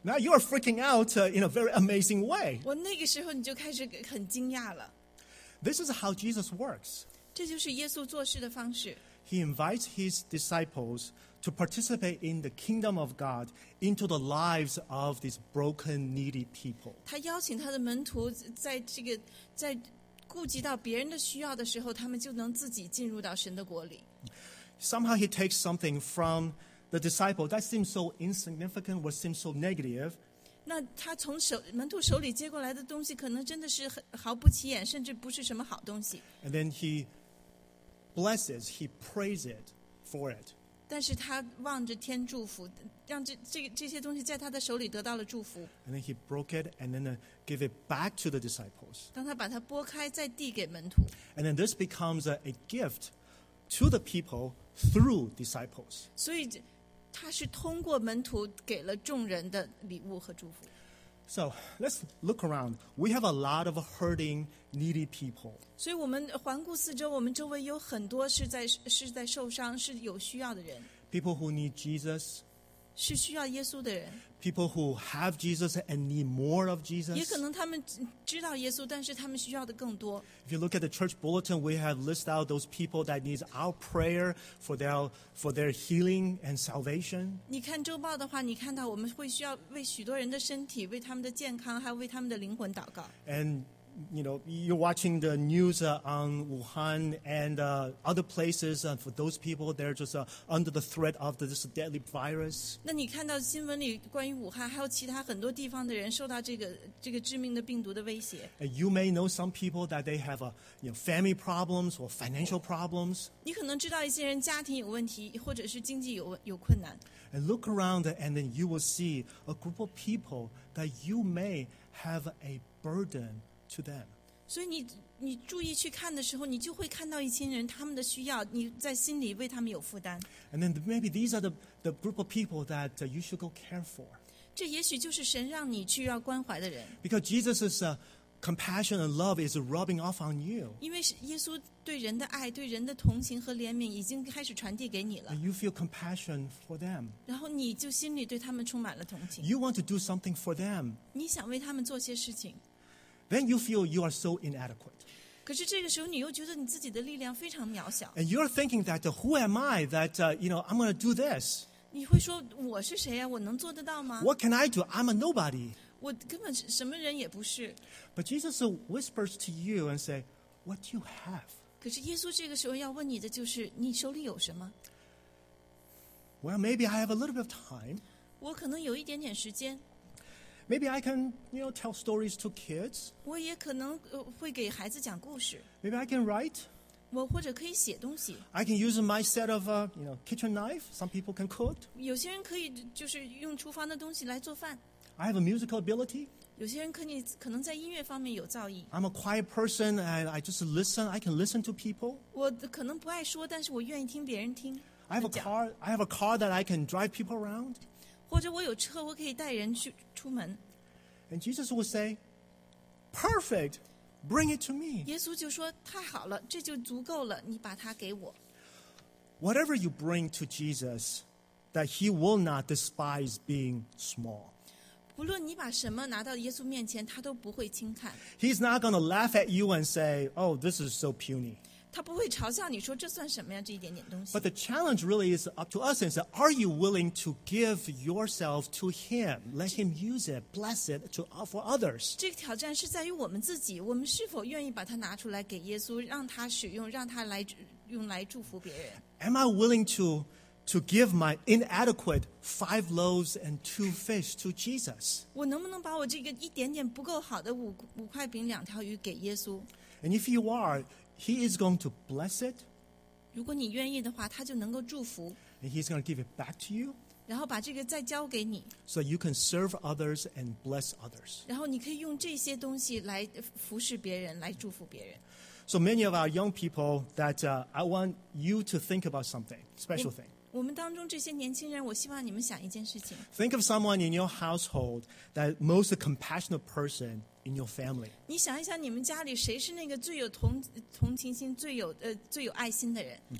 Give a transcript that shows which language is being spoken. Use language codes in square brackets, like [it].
[en] Now you are freaking out in a very amazing way. [zh] 我那个时候你就开始很惊讶了。 [en] This is how Jesus works. [zh] 这就是耶稣做事的方式。 [en] He invites his disciples to participate in the kingdom of God into the lives of these broken, needy people. [zh] 他邀请他的门徒在这个在顾及到别人的需要的时候，他们就能自己进入到神的国里。 [en] Somehow he takes something from the disciple that seems so insignificant or seems so negative. [zh] 那他从门徒手里接过来的东西可能真的是毫不起眼，甚至不是什么好东西。 [en] And then he blesses, he praises for it. [zh] 但是他望着天祝福，让 这些东西在他的手里得到了祝福。 [en] And then he broke it and then gave it back to the disciples. [zh] 当他把它拨开再递给门徒。 [en] And then this becomes a gift to the people through disciples. [zh] 所以他是通过门徒给了众人的礼物和祝福。 [en] So let's look around. We have a lot of hurting, needy people. [zh] 所以我们环顾四周，我们周围有很多是在受伤、是有需要的人。 [en] People who need Jesus. [zh] 是需要耶稣的人。 [en] People who have Jesus and need more of Jesus. [zh] 也可能他们知道耶稣，但是他们需要的更多。 [en] If you look at the church bulletin, we have listed out those people that need our prayer for their healing and salvation. [zh] 你看周报的话，你看到我们会需要为许多人的身体、为他们的健康，还有为他们的灵魂祷告。 [en] And you know, you're watching the news on Wuhan and other places. For those people, they're just under the threat of this deadly virus. [zh] 那你看到新闻里关于武汉还有其他很多地方的人受到这个致命的病毒的威胁。 [en] And you may know some people that they have family problems or financial problems. [zh] 你可能知道一些人家庭有问题，或者是经济有困难。 [en] And look around, and then you will see a group of people that you may have a burden. To them. [zh] 所以你注意去看的时候，你就会看到一群人他们的需要，你在心里为他们有负担。 [en] And then maybe these are the group of people that you should go care for. [zh] 这也许就是神让你去要关怀的人。 [en] Because Jesus's compassion and love is rubbing off on you. [zh] 因为耶稣对人的爱、对人的同情和怜悯已经开始传递给你了。 [en] And you feel compassion for them. [zh] 然后你就心里对他们充满了同情。 [en] You want to do something for them. [zh] 你想为他们做些事情。 [en] Then you feel you are so inadequate. [zh] 可是这个时候你又觉得你自己的力量非常渺小。 [en] And you're thinking that who am I that I'm going to do this? [zh] 你会说我是谁啊？我能做得到吗？ [en] What can I do? I'm a nobody. [zh] 我根本什么人也不是。 [en] But Jesus whispers to you and say, what do you have? [zh] 可是耶稣这个时候要问你的就是你手里有什么？ [en] Well, maybe I have a little bit of time. [zh] 我可能有一点点时间。 [en] Maybe I can, tell stories to kids. [zh] 我也可能会给孩子讲故事。 [en] Maybe I can write. [zh] 我或者可以写东西。 [en] I can use my set of, kitchen knife. Some people can cook. [zh] 有些人可以就是用厨房的东西来做饭。 [en] I have a musical ability. [zh] 有些人可能在音乐方面有造诣。 [en] I'm a quiet person and I just listen. I can listen to people. [zh] 我可能不爱说，但是我愿意听别人听。 [en] I have a car that I can drive people around. [zh] 或者我有车，我可以带人去出门。 [en] And Jesus would say, "Perfect, bring it to me." [zh] 耶稣就说：“太好了，这就足够了，你把它给我。” [en] Whatever you bring to Jesus, that He will not despise being small. [zh] 不论你把什么拿到耶稣面前，他都不会轻看。 [en] He's not going to laugh at you and say, "Oh, this is so puny." [zh] 他不会嘲笑你说这算什么呀，这一点点东西。 [en] But the challenge really is up to us. And are you willing to give yourself to Him, let Him use it, bless it to offer others? [zh] 这个挑战是在于我们自己，我们是否愿意把它拿出来给耶稣，让他使用，让他来用来祝福别人。 [en] Am I willing to give my inadequate 5 loaves and 2 fish to Jesus? [zh] 我能不能把我这个一点点不够好的5块饼2条鱼给耶稣？ [en] And if you are,He is going to bless it. [zh] 如果你愿意的话，他就能够祝福。 [en] And he's going to give it back to you. [zh] 然后把这个再交给你。 [en] So you can serve others and bless others. [zh] 然后你可以用这些东西来服侍别人，来祝福别人。 [en] So many of our young people that I want you to think about something, special thing. [zh] 我们当中这些年轻人，我希望你们想一件事情。 [en] Think of someone in your household that most compassionate person. In your family. [zh] 你想一想你们家里谁是那个最有 同情心 最有爱心的人。